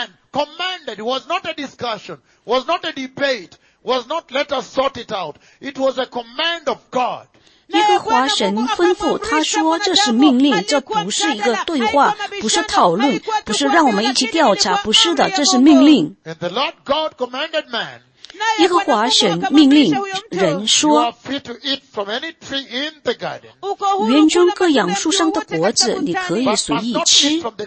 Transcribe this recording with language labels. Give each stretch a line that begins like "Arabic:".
English: Commanded, it was not a discussion, was not a debate, was not let us sort it out. It was a command of God.
Chinese: 耶和华神吩咐，他说这是命令，这不是一个对话，不是讨论，不是让我们一起调查，不是的，这是命令。
English: And the Lord God commanded man.
Chinese: 耶和华神命令人说，
English: You are free to eat from any tree in the garden.
Chinese: 园中各养树上的果子，你可以随意吃。